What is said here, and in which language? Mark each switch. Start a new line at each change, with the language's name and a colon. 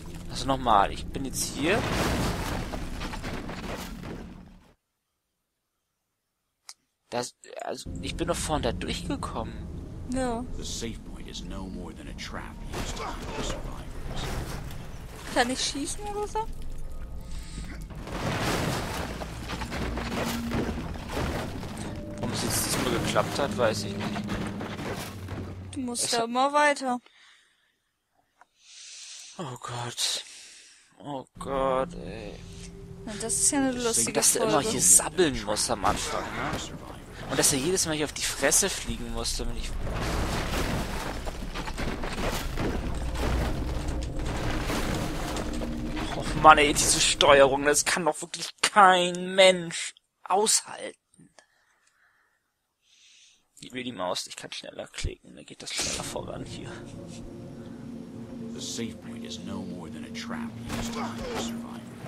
German: Also nochmal, ich bin jetzt hier. Das, also, ich bin doch vorhin da durchgekommen.
English: No. The safe point is no more than a trap used to kill survivors.
German: Kann ich schießen oder so? Ob es jetzt diesmal geklappt hat, weiß ich nicht. Du musst ja immer weiter. Oh Gott. Oh Gott, ey. Na, das ist ja eine lustige Folge. Dass du immer hier sabbeln musst am Anfang, ne? Und dass er jedes Mal hier auf die Fresse fliegen musste, wenn ich... Och Mann, ey, diese Steuerung, das kann doch wirklich kein Mensch aushalten. Gib mir die Maus, ich kann schneller klicken, dann geht das schneller voran hier.
English: The safe point is no more than a trap used to hide survivors.